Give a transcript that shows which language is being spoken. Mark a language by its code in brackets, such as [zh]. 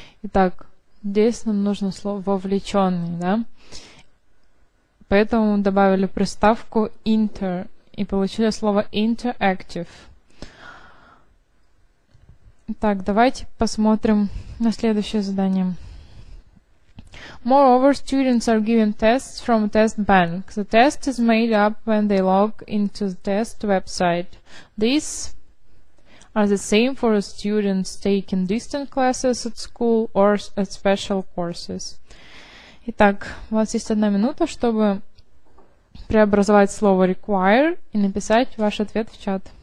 [ru] Итак, здесь нам нужно слово «вовлеченный», да? Поэтому добавили приставку «inter» и получили слово «interactive». Так, давайте посмотрим на следующее задание. [en] Moreover, students are given tests from a test bank. The test is made up when they log into the test website. These are the same for students taking distant classes at school or at special courses. [ru] Итак, у вас есть 1 минута, чтобы преобразовать слово require и написать ваш ответ в чат.